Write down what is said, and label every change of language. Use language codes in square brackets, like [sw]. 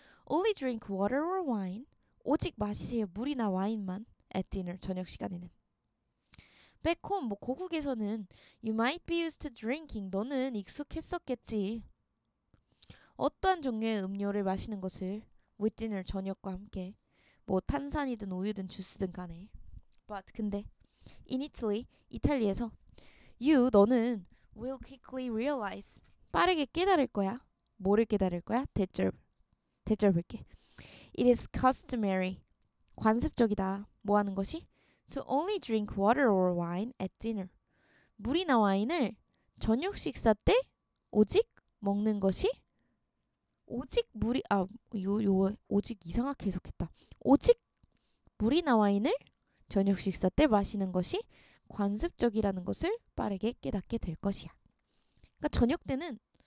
[en] Only drink water or wine. [ko] 오직 마시세요. 물이나 와인만. [en] At dinner. [ko] 저녁 시간에는. [en] Back home, [ko] 뭐 고국에서는 [en] you might be used to drinking. [ko] 너는 익숙했었겠지. 어떤 종류의 음료를 마시는 것을 [en] with dinner [ko] 저녁과 함께 뭐 탄산이든 우유든 주스든 간에. [en] But [ko] 근데 [en] in Italy, [ko] 이탈리아에서 [en] you [ko] 너는 [en] will quickly realize [ko] 빠르게 깨달을 거야. 뭐를 깨달을 거야? 대절 볼게. [en] It is customary [ko] 관습적이다. 뭐 하는 것이? [en] To only drink water or wine at dinner. [ko] 물이나 와인을 저녁 식사 때 오직 먹는 것이 오직 물이 아요요 오직 이상하게 해석했다. 오직 물이나 와인을 저녁 식사 때 마시는 것이 관습적이라는 것을 빠르게 깨닫게 될 것이야. 그러니까 저녁 때는